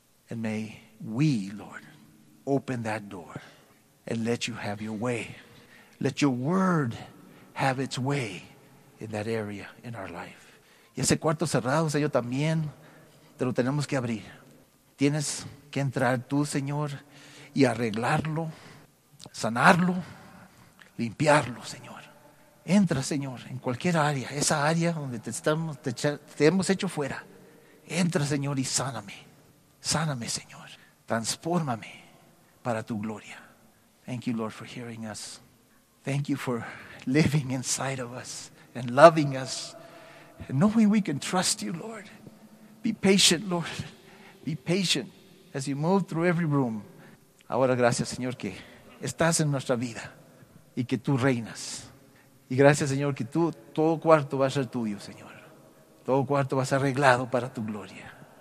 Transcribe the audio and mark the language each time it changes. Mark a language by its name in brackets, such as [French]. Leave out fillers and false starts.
[English] And may we, Lord, open that door and let you have your way. Let your word have its way in that area in our life. [Spanish] Y ese cuarto cerrado, Señor, también te lo tenemos que abrir. Tienes que entrar tú, Señor, y arreglarlo, sanarlo, limpiarlo, Señor. Entra, Señor, en cualquier área, esa área donde te hemos hecho fuera. Entra, Señor, y sáname. Sáname, Señor. Transfórmame para tu gloria. [English] Thank you, Lord, for hearing us. Thank you for living inside of us and loving us. Knowing we can trust you, Lord, Be patient, Lord. Be patient as you move through every room. [Spanish] Ahora gracias, Señor, que estás en nuestra vida y que tú reinas. Y gracias, Señor, que tú, todo cuarto va a ser tuyo, Señor. Todo cuarto va a ser arreglado para tu gloria.